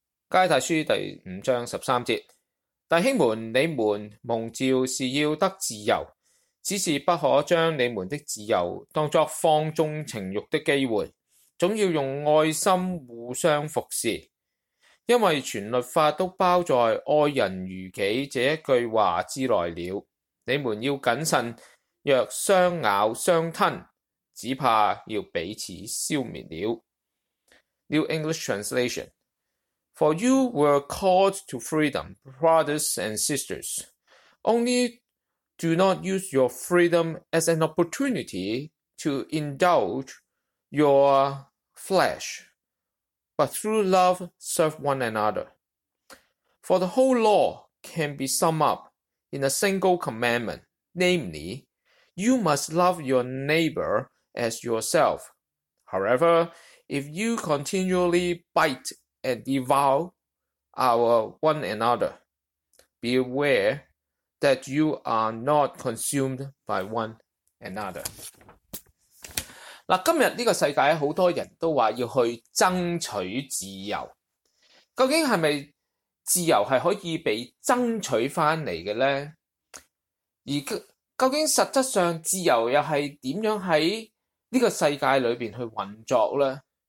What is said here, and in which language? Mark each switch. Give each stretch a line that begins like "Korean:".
Chinese: 加拉太书第五章十三节。弟兄们，你们蒙召是要得自由，只是不可将你们的自由当作放纵情欲的机会，总要用爱心互相服侍。因为全律法都包在爱人如己这一句话之内了。你们要谨慎，若相咬相吞，只怕要彼此消灭了。
English: New English Translation. For you were called to freedom, brothers and sisters. Only do not use your freedom as an opportunity to indulge your flesh, but through love serve one another. For the whole law can be summed up in a single commandment, namely, you must love your neighbor as yourself. However, if you continually bite and devour one another, beware that you are not consumed by one another.
Chinese: 今天这个世界很多人都说要去争取自由。究竟是不是自由是可以被争取回来的呢？而究竟实质上自由又是怎样在这个世界里面去运作呢？